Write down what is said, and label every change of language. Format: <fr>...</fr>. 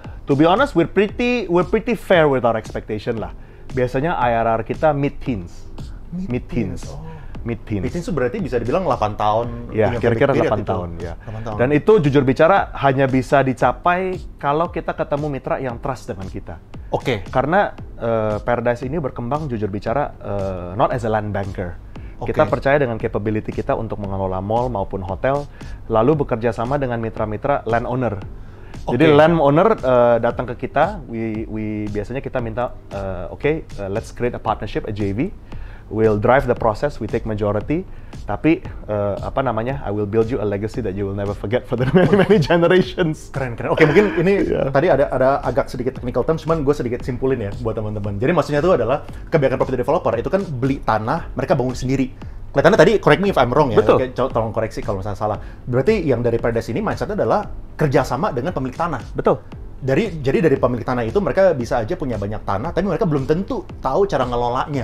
<en>To be honest, we're pretty fair with our expectation lah.</en> <id>Biasanya IRR kita mid-teens. Mid-teens. Mid-teens itu berarti bisa dibilang 8 tahun. Ya, kira-kira 8 tahun. Ya. Dan itu jujur bicara hanya bisa dicapai kalau kita ketemu mitra yang trust dengan kita. Oke. Okay. Karena Paradise ini berkembang jujur bicara not as a land banker. Okay. Kita percaya dengan capability kita untuk mengelola mall maupun hotel, lalu bekerja sama dengan mitra-mitra land owner. Okay. Jadi land owner datang ke kita, we biasanya kita minta let's create a partnership, a JV.</id> <en>We'll drive the process, we take majority, tapi I will build you a legacy that you will never forget for the many generations.</en> <id>Keren. Oke, mungkin ini tadi ada agak sedikit technical term, cuman gue sedikit simpulin ya buat teman-teman. Jadi maksudnya itu adalah kebanyakan property developer itu kan beli tanah, mereka bangun sendiri. Kelihatannya tadi, correct me if I'm wrong ya. Betul. Tolong koreksi kalau misalnya salah. Berarti yang dari Paradise ini mindset-nya adalah kerjasama dengan pemilik tanah. Betul. Jadi dari pemilik tanah itu mereka bisa aja punya banyak tanah, tapi mereka belum tentu tahu cara ngelolanya.</id>